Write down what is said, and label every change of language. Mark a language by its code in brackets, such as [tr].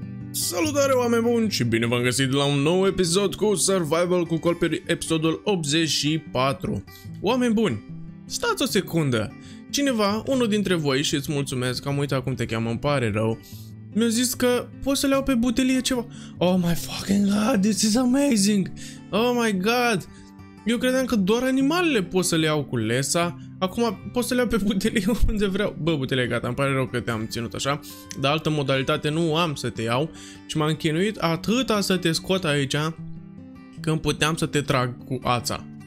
[ro] Salutare, oameni buni, și bine v-am găsit la un nou episod cu Survival cu Colperi, episodul 84. Oameni buni, stați o secundă. Cineva, unul dintre voi, și îți mulțumesc, am uitat cum te cheamă, îmi pare rău, mi-a zis că pot să le iau pe butelie ceva. [en] Oh my fucking god, this is amazing. Oh my god. [ro] Eu credeam că doar animalele pot să le iau cu lesa. Acum pot să le iau pe butelie unde vreau. Bă, butelie, gata, îmi pare rău că te-am ținut așa. De altă modalitate nu am să te iau. Și m-am chinuit atâta să te scot aici, când puteam să te trag cu ața.